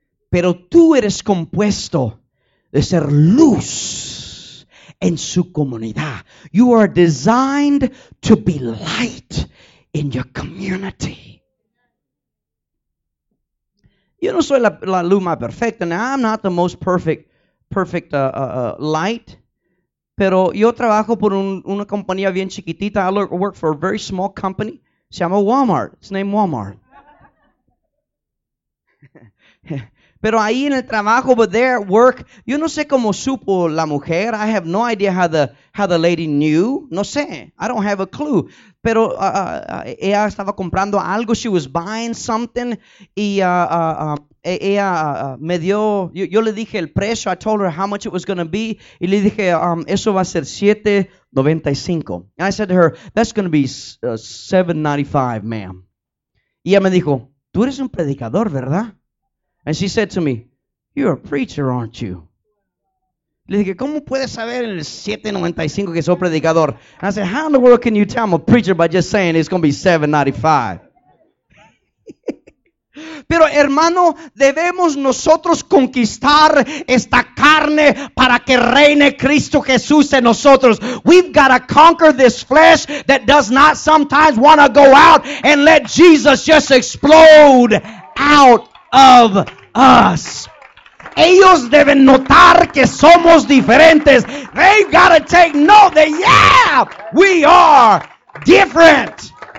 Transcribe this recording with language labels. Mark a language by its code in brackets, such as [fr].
[es] Pero tú eres compuesto de ser luz en su comunidad. [en] You are designed to be light in your community. [es] Yo no soy la luz más perfecta. [en] Now, I'm not the most perfect light. [es] Pero yo trabajo por una compañía bien chiquitita. [en] I work for a very small company. [es] Se llama Walmart. [en] It's named Walmart. [es] Pero ahí en el trabajo, [en] but there at work, [es] yo no sé cómo supo la mujer. [en] I have no idea how the lady knew. [es] No sé. [en] I don't have a clue. [es] Pero ella estaba comprando algo. [en] She was buying something. [es] Y ella me dio, yo le dije el precio. [en] I told her how much it was going to be. [es] Y le dije, eso va a ser $7.95. [en] And I said to her, that's going to be $7.95, ma'am. [es] Y ella me dijo, tú eres un predicador, ¿verdad? [en] And she said to me, you're a preacher, aren't you? [es] Le dije, ¿cómo puedes saber en el 7.95 que soy predicador? [en] And I said, how in the world can you tell I'm a preacher by just saying it's going to be $7.95? [es] Pero hermano, debemos nosotros conquistar esta carne para que reine Cristo Jesús en nosotros. [en] We've got to conquer this flesh that does not sometimes want to go out and let Jesus just explode out of us. [es] Ellos deben notar que somos diferentes. [en] They've got to take note that, yeah, we are different.